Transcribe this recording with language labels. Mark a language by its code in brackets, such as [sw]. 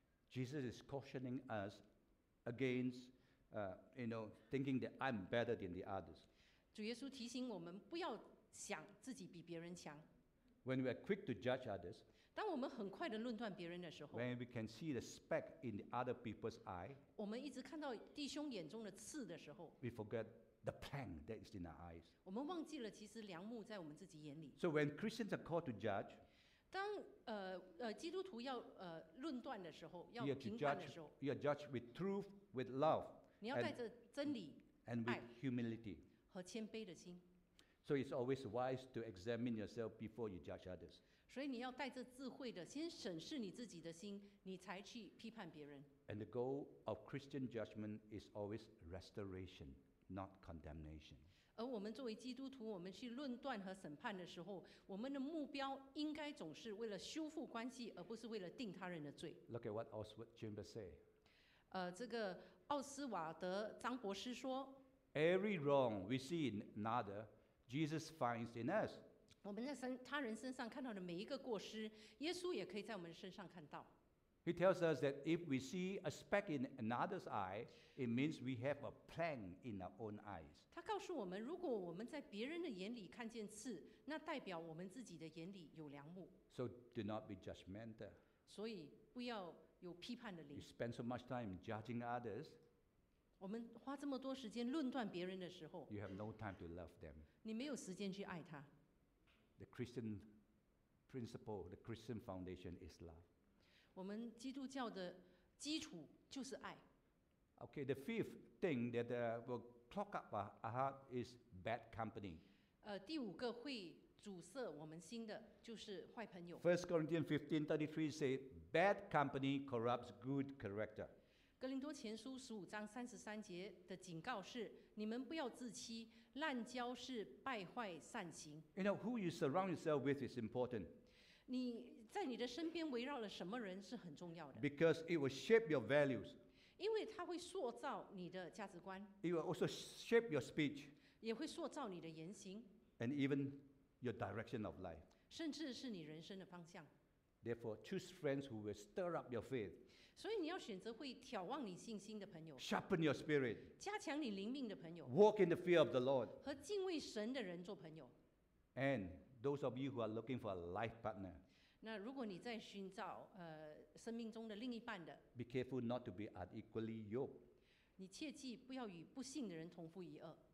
[en] Jesus is cautioning us against you know, thinking that I'm better than the others. [zh] 主耶稣提醒我们不要想自己比别人强。 [en] When we are quick to judge others, [zh] 当我们很快地论断别人的时候， [en] when we can see the speck in the other people's eye, [zh] 我们一直看到弟兄眼中的刺的时候， [en] we forget the plank that is in our eyes. [zh] 我们忘记了其实梁木在我们自己眼里。 [en] So when Christians are called to judge, [zh] 当基督徒要论断的时候，要评判的时候， [en] you are judged with truth, with love, [zh] 你要带着真理， [en] and with humility, [zh] 和谦卑的心。 [en] So it's always wise to examine yourself before you judge others. [zh] 所以你要带着智慧的，先审视你自己的心，你才去批判别人。 [en] And the goal of Christian judgment is always restoration, not condemnation. [zh] 而我们作为基督徒，我们去论断和审判的时候，我们的目标应该总是为了修复关系，而不是为了定他人的罪。 [en] Look at what Oswald Chambers said. [zh] 这个奥斯瓦德张博士说， [en] Every wrong we see in another. Jesus finds in us. [zh] 我们在他人身上看到的每一个过失，耶稣也可以在我们身上看到。 [en] He tells us that if we see a speck in another's eye, it means we have a plank in our own eyes. [zh] 他告诉我们，如果我们在别人的眼里看见刺，那代表我们自己的眼里有梁木。 [en] So do not be judgmental. [zh] 所以不要有批判的灵。 [en] You spend so much time judging others. [zh] 我们花这么多时间论断别人的时候， [en] you have no time to love them. [zh] 你没有时间去爱他。 [en] The Christian principle, the Christian foundation is love. [zh] 我们基督教的基础就是爱。 [en] Okay, the fifth thing that will clog up our heart is bad company. [zh] 第五个会阻塞我们心的就是坏朋友。 [en] First Corinthians 15:33 say, bad company corrupts good character. [zh] 哥林多前书十五章三十三节的警告是：你们不要自欺，滥交是败坏善行。 [en] You know who you surround yourself with is important. [zh] 你在你的身边围绕了什么人是很重要的。 [en] Because it will shape your values. [zh] 因为它会塑造你的价值观。 [en] It will also shape your speech. [zh] 也会塑造你的言行。 [en] And even your direction of life. [zh] 甚至是你人生的方向。 [en] Therefore, choose friends who will stir up your faith. [zh] 所以你要选择会挑旺你信心的朋友。 [en] Sharpen your spirit. [zh] 加强你灵命的朋友。 [en] Walk in the fear of the Lord. [zh] 和敬畏神的人做朋友。 [en] And those of you who are looking for a life partner. [zh] 那如果你在寻找生命中的另一半的。 [en] Be careful not to be unequally yoked. [zh] 你切记不要与不信的人同父一轭。